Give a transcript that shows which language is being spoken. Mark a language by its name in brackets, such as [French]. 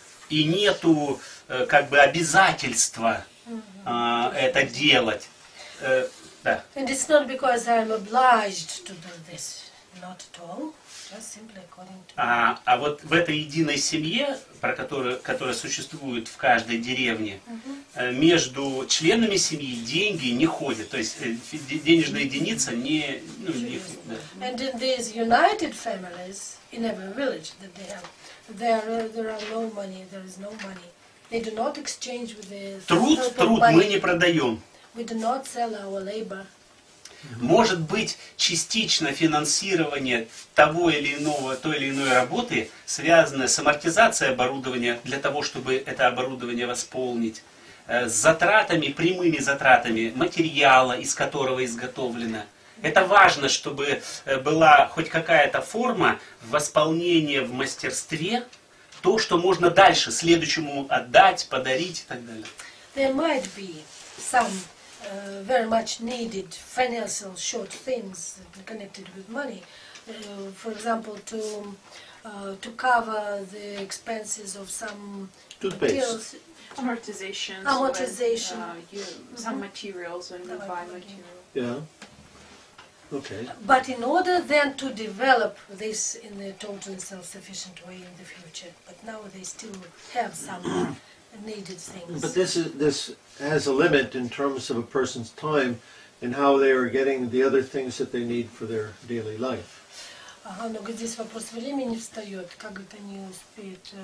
[Russian] И нету как бы обязательства это делать. Да. [English] And it's not because I'm obliged to do this, not at all, just simply according to. [Russian] А вот в этой единой семье, про которая существует в каждой деревне, между членами семьи деньги не ходят, то есть денежная единица не. Ну, не да. [English] And in these united families in every village that they have, there are no money, there is no money. They do not exchange with the. [Russian] Труд, труд мы не продаем. [English] We do not sell our labor. [Russian] Может быть, частично финансирование того или иного, той или иной работы, связанное с амортизацией оборудования, для того, чтобы это оборудование восполнить, с затратами, прямыми затратами материала, из которого изготовлено. Это важно, чтобы была хоть какая-то форма восполнения в мастерстве, то, что можно дальше следующему отдать, подарить и так далее. [English] There might be some very much needed financial short things connected with money. For example, to cover the expenses of some materials. Amortization. Amortization. Some materials when you buy materials. Yeah. Okay. But in order then to develop this in a totally self-sufficient way in the future, but now they still have some needed things. But this has a limit in terms of a person's time and how they are getting the other things that they need for their daily life. [Russian] Ага, но здесь вопрос времени встает, как это не успеет.